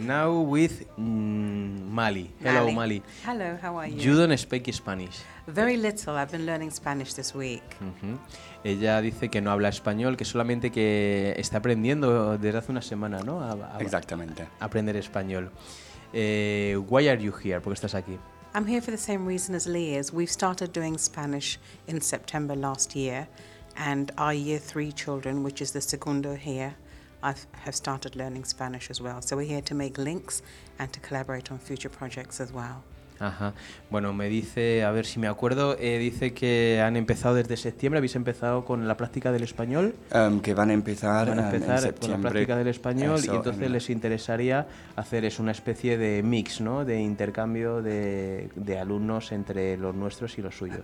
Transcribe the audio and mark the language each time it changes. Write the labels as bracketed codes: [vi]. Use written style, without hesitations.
[en] Now with Mali. Hello, Mali. Hello, how are you? You don't speak Spanish. Very little. I've been learning Spanish this week. Uh-huh. [es] Ella dice que no habla español, que solamente que está aprendiendo desde hace una semana, ¿no? Exactamente. Aprender español. [en] Why are you here? [es] ¿Por qué estás aquí? [en] I'm here for the same reason as Lee is. We've started doing Spanish in September last year, and our year three children, which is the segundo here, have started learning Spanish as well. So we're here to make links and to collaborate on future projects as well. Ajá. [es] Bueno, me dice, a ver si me acuerdo, dice que han empezado desde septiembre, ¿habéis empezado con la práctica del español? Que van a empezar con la práctica del español, eso, y entonces les interesaría hacer es una especie de mix, ¿no? De intercambio de alumnos entre los nuestros y los suyos.